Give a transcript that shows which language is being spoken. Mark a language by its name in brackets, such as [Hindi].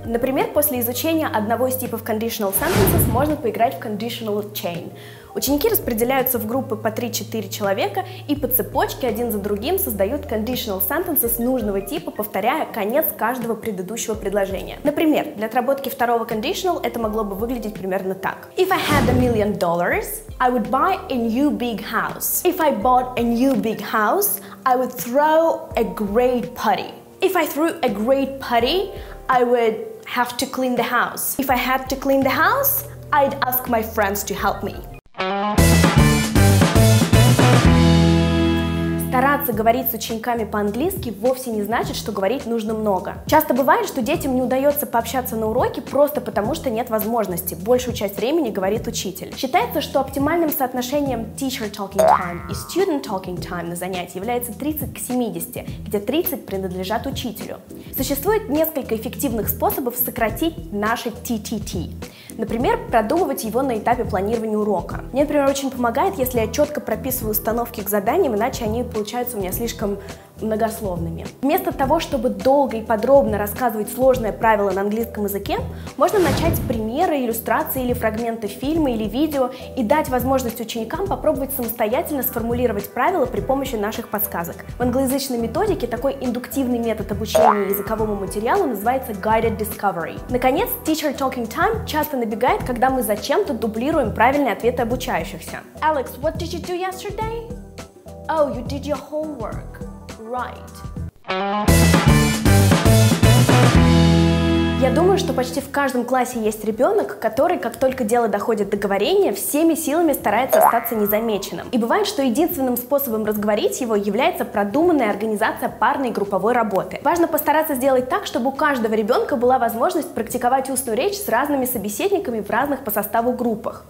[Russian] Например, после изучения одного из типов conditional sentences можно поиграть в conditional chain. Ученики распределяются в группы по 3-4 человека и по цепочке один за другим создают conditional sentences нужного типа, повторяя конец каждого предыдущего предложения. Например, для отработки второго conditional это могло бы выглядеть примерно так. [English] If I had $1 million, I would buy a new big house. If I bought a new big house, I would throw a great party. If I threw a great party, I would have to clean the house. If I had to clean the house, I'd ask my friends to help me. [Russian] Стараться говорить с учениками по-английски вовсе не значит, что говорить нужно много. Часто бывает, что детям не удается пообщаться на уроке просто потому, что нет возможности. Большую часть времени говорит учитель. Считается, что оптимальным соотношением teacher talking time и student talking time на занятии является 30-70, где 30 принадлежат учителю. Существует несколько эффективных способов сократить наше TTT. Например, продумывать его на этапе планирования урока. Мне, например, очень помогает, если я четко прописываю установки к заданиям, иначе они получаются у меня слишком многословными. Вместо того, чтобы долго и подробно рассказывать сложные правила на английском языке, можно начать с примера, иллюстрации или фрагмента фильма или видео и дать возможность ученикам попробовать самостоятельно сформулировать правила при помощи наших подсказок. В англоязычной методике такой индуктивный метод обучения языковому материалу называется guided discovery. Наконец, teacher talking time часто набегает, когда мы зачем-то дублируем правильные ответы обучающихся. [English] Alex, what did you do yesterday? Oh, you did your homework. Right. [Russian] Я думаю, что почти в каждом классе есть ребенок, который, как только дело доходит до говорения, всеми силами старается остаться незамеченным. И бывает, что единственным способом разговорить его является продуманная организация парной и групповой работы. Важно постараться сделать так, чтобы у каждого ребенка была возможность практиковать устную речь с разными собеседниками в разных по составу группах.